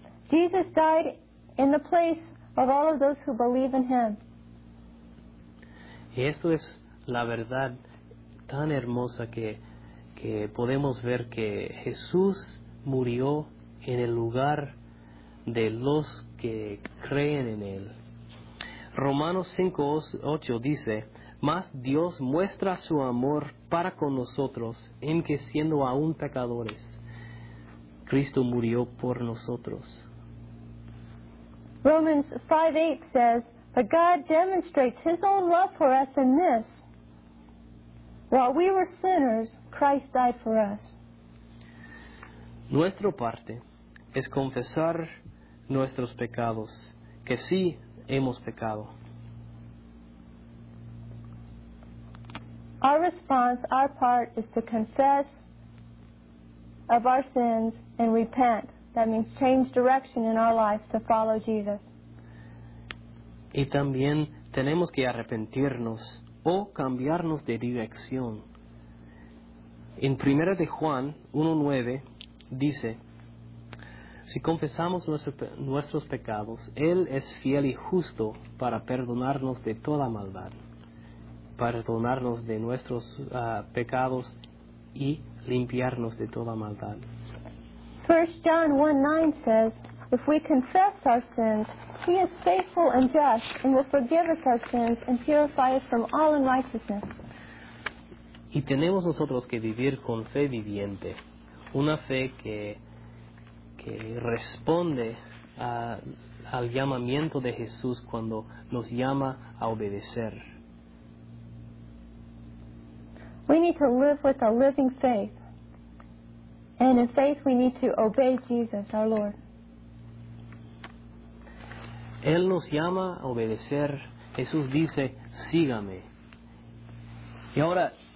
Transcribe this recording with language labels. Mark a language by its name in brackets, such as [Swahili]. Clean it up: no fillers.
[English] Jesus died in the place of all of those who believe in him. [Spanish] Y esto es la verdad tan hermosa que podemos ver que Jesús murió en el lugar de los que creen en él. Romanos 5:8 dice, mas Dios muestra su amor para con nosotros, en que siendo aún pecadores, Cristo murió por nosotros. [English] Romans 5:8 says, but God demonstrates his own love for us in this. While we were sinners, Christ died for us. [Spanish] Nuestra parte es confesar nuestros pecados, que sí hemos pecado. [English] Our response, our part, is to confess of our sins and repent. That means change direction in our life to follow Jesus. [Spanish] Y también tenemos que arrepentirnos o cambiarnos de dirección. En 1 de Juan 1:9 dice, si confesamos nuestros pecados, Él es fiel y justo para perdonarnos de toda maldad, perdonarnos de nuestros pecados y limpiarnos de toda maldad. [English] 1 John 1:9 says, if we confess our sins, He is faithful and just and will forgive us our sins and purify us from all unrighteousness. [Spanish] Y tenemos nosotros que vivir con fe viviente, una fe que responde al llamamiento de Jesús cuando nos llama a obedecer. [English] We need to live with a living faith. And in faith we need to obey Jesus, our Lord. [Spanish] Él nos llama a obedecer. Jesús dice, sígame. Y ahora,